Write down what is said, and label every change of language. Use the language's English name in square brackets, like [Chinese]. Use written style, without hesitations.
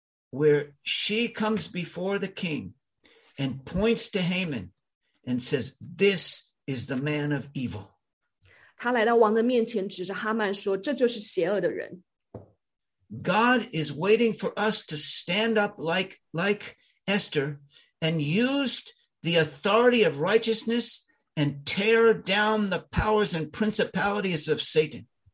[English] Where she comes before the king and points to Haman and says, this is the man of evil. [Chinese] 他来到王的面前，指着哈曼说：“这就是邪恶的人。” [English] God is waiting for us to stand up like Esther and use the authority of righteousness and tear down the powers and principalities of Satan.